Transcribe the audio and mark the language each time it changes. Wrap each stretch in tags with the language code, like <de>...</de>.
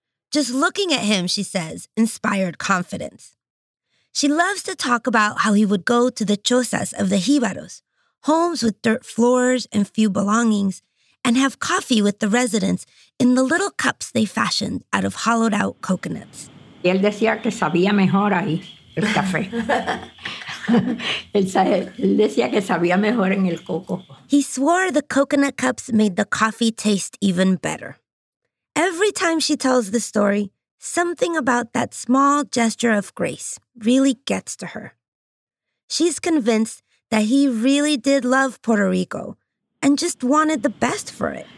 <en>Just looking at him, she says, inspired confidence. She loves to talk about how he would go to the chozas of the jíbaros, homes with dirt floors and few belongings, and have coffee with the residents in the little cups they fashioned out of hollowed-out coconuts.</en> <es>Y él decía que sabía mejor ahí, el café. Él decía que sabía mejor en el coco.</es> <en>He swore the coconut cups made the coffee taste even better. Every time she tells the story, something about that small gesture of grace really gets to her. She's convinced that he really did love Puerto Rico and just wanted the best for it.</en>